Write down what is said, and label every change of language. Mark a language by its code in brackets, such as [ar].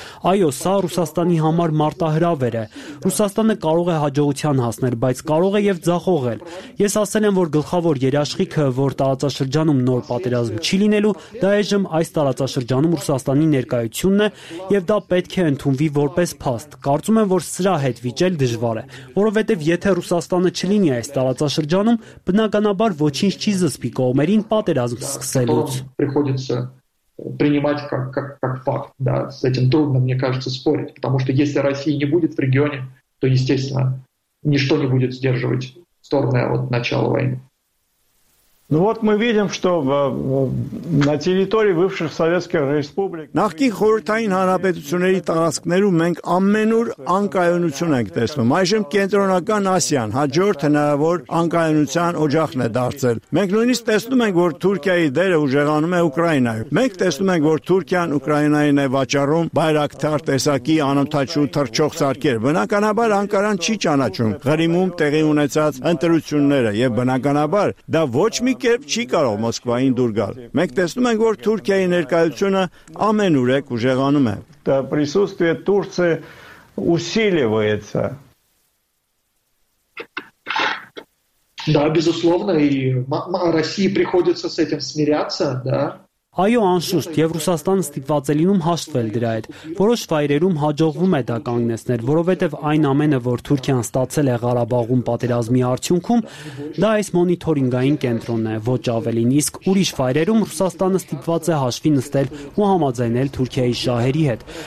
[hy] Այո, սա Ռուսաստանի համար մարտահրավեր է։ Ռուսաստանը կարող է հաջողության հասնել, բայց կարող է եւ ձախողել։ Ես ասել եմ, որ գլխավոր երաշխիքը, որ տարածաշրջանում նոր պատերազմ չի լինելու, դա այժմ այս տարածաշրջանում Ռուսաստանի ներկայությունն է, եւ դա պետք է ընդունվի որպես փաստ։ Կարծում եմ, որ սրա հետ վիճել դժվար է, որովհետեւ եթե Ռուսաստանը չլինի այս տարածաշրջանում, բնականաբար ոչինչ չի զսպի կողմերին պատերազմ սկսելուց։ [ru] Приходится принимать как факт, да, с этим трудно, мне кажется, спорить, потому что если России не будет в регионе, то, естественно, ничто не будет сдерживать стороны от начала войны. Ну вот мы видим, что на территории бывших советских республик. [hy] Նախկին խորհրդային հանրապետությունների տարածքներում մենք ամենուր անկայունություն ենք տեսնում։ Այժմ կենտրոնական Ասիան հաջորդ հնարավոր անկայունության օջախն է դարձել։ Մենք նույնիսկ տեսնում ենք, որ Թուրքիայի դերը ուժեղանում է Ուկրաինայում։ Մենք տեսնում ենք, որ Թուրքիան Ուկրաինային է վաճառում Բայրակտար տեսակի անօթաչու թռչող սարքեր։ Բնականաբար Անկարան չի ճանաչում Ղրիմում տեղի ունեցած ընտրությունները, եւ բնականաբար դա ոչ մի կերպ չի կարող Մոսկվային դուր գալ։ Մենք տեսնում ենք, որ Թուրքիայի ներկայությունը ամենուրեք ուժեղանում է։ [ru] Դա присутствие Турции усиливается. Да, безусловно, и России приходится с этим смиряться, да. [hy] Այո, անշուշտ, եւ Ռուսաստանը ստիպված է լինում հաշվել դրա հետ։ Որոշ վայրերում հաջողվում է դա կանգնեցնել, որովհետեւ այն ամենը, որ Թուրքիան ստացել է Ղարաբաղում պատերազմի արդյունքում, դա այս մոնիթորինգային կենտրոնն է, ոչ ավելին, իսկ ուրիշ վայրերում Ռուսաստանը ստիպված է հաշվի նստել ու համաձայնել Թուրքիայի շահերի հետ։